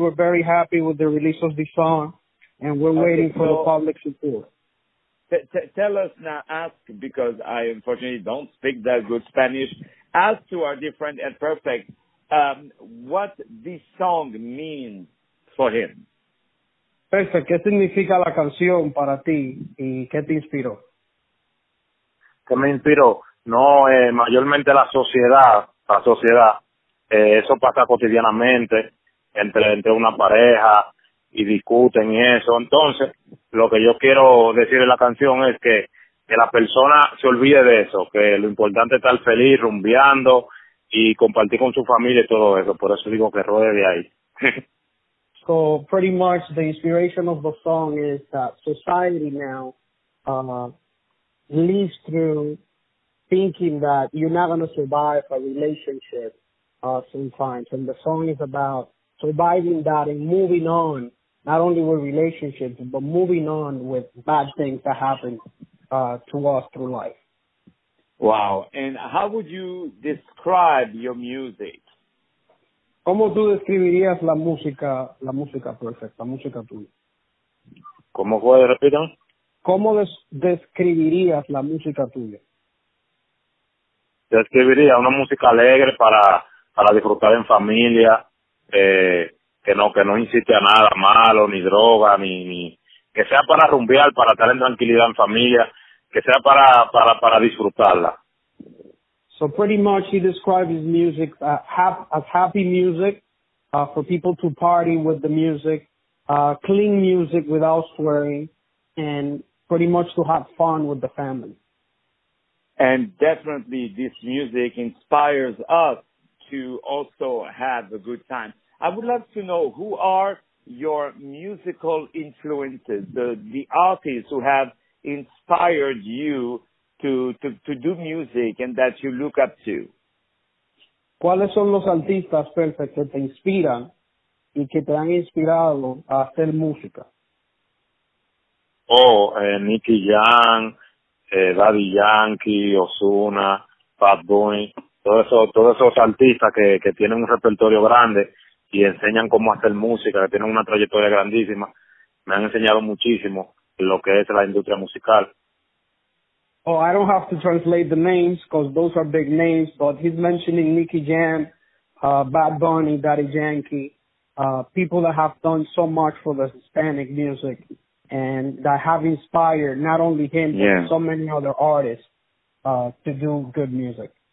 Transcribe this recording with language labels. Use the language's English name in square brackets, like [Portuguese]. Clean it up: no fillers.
[English] We're very happy with the release of the song, and we're waiting for the public support. Tell us now, ask, because I unfortunately don't speak that good Spanish, ask to our dear friend El Perfect what this song means for him. Perfect. [Spanish] ¿Qué significa la canción para ti y qué te inspiró? ¿Qué me inspiró? No, mayormente la sociedad. Eso pasa cotidianamente entre una pareja y discuten y eso. Entonces, lo que yo quiero decir en la canción es que la persona se olvide de eso, que lo importante es estar feliz, rumbeando y compartir con su familia y todo eso. Por eso digo que ruede de ahí. [English] So pretty much the inspiration of the song is that society now lives through thinking that you're not going to survive a relationship sometimes. And the song is about surviving that and moving on, not only with relationships, but moving on with bad things that happen to us through life. Wow. And how would you describe your music? [Spanish] ¿Cómo tú describirías la música perfecta, la música tuya? ¿Cómo fue, repito? ¿Cómo describirías la música tuya? Describiría una música alegre para disfrutar en familia, que no incite a nada malo, ni droga, ni que sea para rumbear, para estar en tranquilidad en familia, que sea para disfrutarla. [English] So pretty much he describes his music as happy music for people to party with the music, clean music without swearing, and pretty much to have fun with the family. And definitely this music inspires us to also have a good time. I would love to know, who are your musical influences, the artists who have inspired you to do music and that you look up to? [Spanish] ¿Cuáles son los artistas, Perfect, que te inspiran y que te han inspirado a hacer música? Nicky Jam, Daddy Yankee, Ozuna, Bad Bunny, todos esos artistas que tienen un repertorio grande y enseñan cómo hacer música, que tienen una trayectoria grandísima, me han enseñado muchísimo lo que es la industria musical. [English] Oh, I don't have to translate the names because those are big names, but he's mentioning Nicky Jam, Bad Bunny, Daddy Yankee, people that have done so much for the Hispanic music and that have inspired not only him, yeah, but so many other artists to do good music.